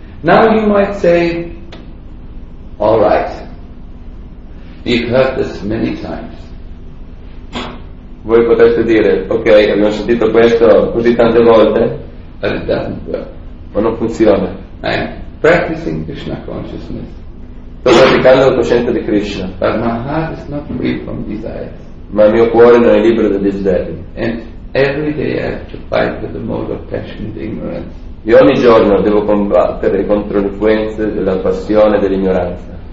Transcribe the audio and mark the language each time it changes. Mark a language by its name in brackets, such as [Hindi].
[English] Now you might say, all right, we've heard this many times. [Italian] Voi potreste dire, ok, abbiamo sentito questo così tante volte, [English] but it doesn't work. [Italian] Ma non funziona. [English] I'm practicing Krishna consciousness. [Italian] Sto praticando la coscienza di Krishna. [English] But my heart is not free from desires. [Italian] Ma il mio cuore non è libero da desideri. [English] And every day I have to fight with the mode of passion and ignorance. [Italian] E ogni giorno devo combattere contro le influenze della passione e dell'ignoranza.